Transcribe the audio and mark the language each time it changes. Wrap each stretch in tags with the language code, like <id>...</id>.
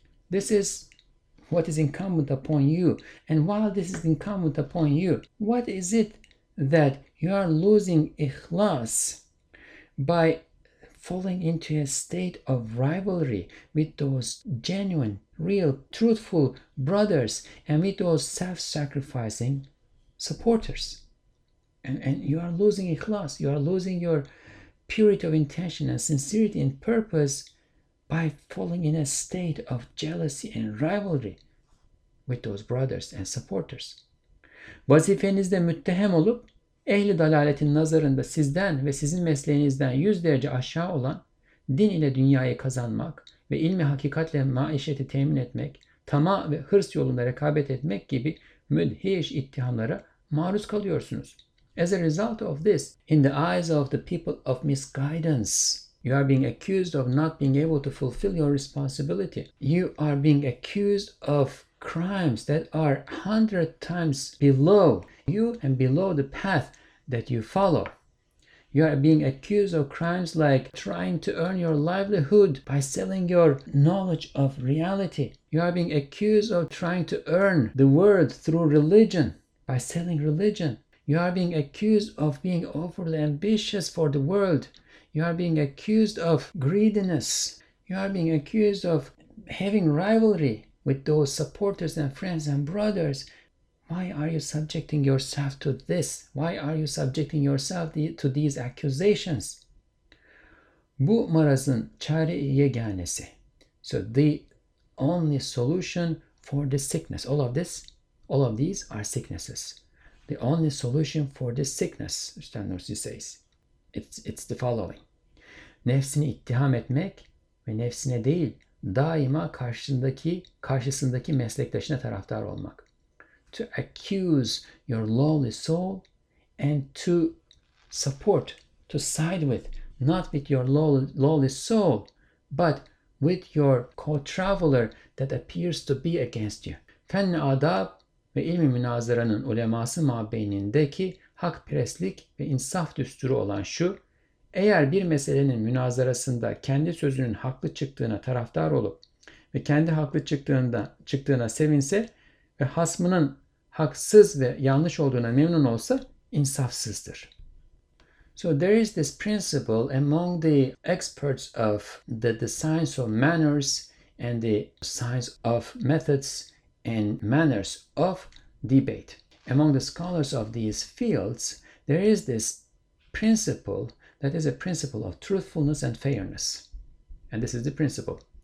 <en>This is what is incumbent upon you. And while this is incumbent upon you, what is it that you are losing ikhlas by falling into a state of rivalry with those genuine, real, truthful brothers and with those self-sacrificing supporters? And you are losing ikhlas, you are losing your purity of intention and sincerity and purpose by falling in a state of jealousy and rivalry with those brothers and supporters.</en> <tr>Vazifenizde müttehem olup, ehli dalaletin nazarında sizden ve sizin mesleğinizden 100 derece aşağı olan din ile dünyayı kazanmak ve ilmi hakikatle maişeti temin etmek, tama ve hırs yolunda rekabet etmek gibi müdhiş ittihamlara maruz kalıyorsunuz.</tr> <en>As a result of this, in the eyes of the people of misguidance, you are being accused of not being able to fulfill your responsibility. You are being accused of crimes that are 100 times below you and below the path that you follow. You are being accused of crimes like trying to earn your livelihood by selling your knowledge of reality. You are being accused of trying to earn the world through religion by selling religion. You are being accused of being overly ambitious for the world. You are being accused of greediness. You are being accused of having rivalry with those supporters and friends and brothers. Why are you subjecting yourself to this? Why are you subjecting yourself to these accusations?</en> <tr>Bu marazın çare yeganesi.</tr> <en>So the only solution for this sickness. All of these are sicknesses. The only solution for this sickness, Üstad Nursi says, it's the following.</en> <tr>Nefsini ittiham etmek ve nefsine değil, daima karşısındaki meslektaşına taraftar olmak.</tr> <en>To accuse your lowly soul and to support, to side with, not with your lowly soul, but with your co-traveler that appears to be against you.</en> <tr>Fenn-i adab ve ilmi münazaranın uleması mabeynindeki hakperestlik ve insaf düsturu olan şu, eğer bir meselenin münazarasında kendi sözünün haklı çıktığına taraftar olup ve kendi haklı çıktığına sevinse ve hasmının haksız ve yanlış olduğuna memnun olsa insafsızdır.</tr> <en>So there is this principle among the experts of the science of manners and the science of methods and manners of debate. Among the scholars of these fields, there is this principle that is a principle of truthfulness and fairness. And this is the principle.</en>